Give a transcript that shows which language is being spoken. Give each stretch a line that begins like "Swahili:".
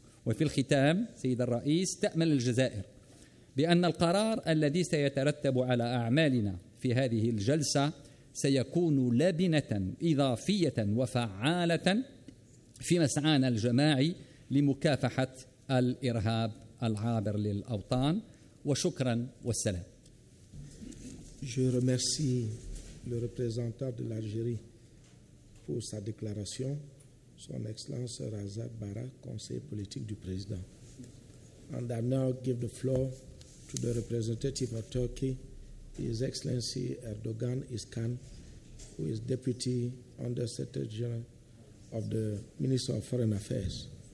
Arabic: وفي الختام، سيد الرئيس، تأمل الجزائر بأن القرار الذي سيترتب على أعمالنا في هذه الجلسة سيكون لبنة إضافية وفعالة في مسعانا الجماعي لمكافحة الإرهاب العابر للأوطان. وشكرا والسلام.
French: Je remercie le représentant de l'Algérie pour sa déclaration, son excellence Razak Bara, conseiller politique du président.
English: And I now give the floor to the representative of Turkey, His Excellency Erdogan İskan, who is deputy under secretary general of the Minister of Foreign Affairs.